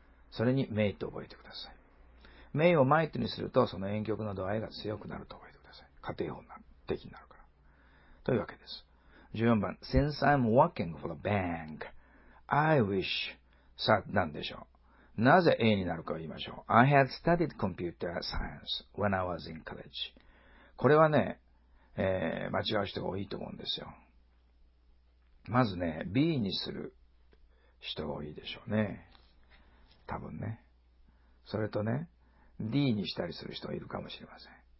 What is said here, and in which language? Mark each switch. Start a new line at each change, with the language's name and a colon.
Japanese: それに may と覚えてください。may を might にすると、その婉曲の度合いが強くなると覚えてください。仮定法的になるから。というわけです。14番、 since I'm working for the bank, I wish, さ、なんでしょう。なぜ A になるかを言いましょう。
English: I had studied computer science when I was in college.
Japanese: これはね、間違う人が多いと思うんですよ。まずね、B にする人が多いでしょうね。多分ね。それとね、D にしたりする人がいるかもしれません。